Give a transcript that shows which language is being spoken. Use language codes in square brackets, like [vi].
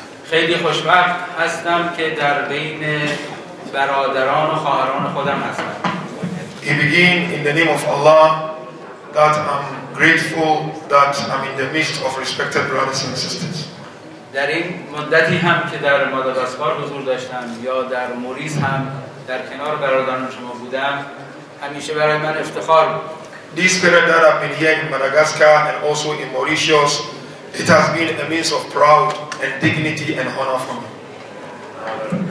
[fa] خیلی خوشبخت هستم که در بین برادران و خواهران خودم هستم. [en] I begin in the name of Allah that I'm grateful that I'm in the midst of respected brothers and sisters. [fa] در این مدتی هم که در ماداگاسکار حضور داشتم یا در موریس هم در کنار برادران شما بودم همیشه برای من افتخار بود. [en] These periods that I've been here in Madagascar and also in Mauritius, it has been a means of pride and dignity and honor for me.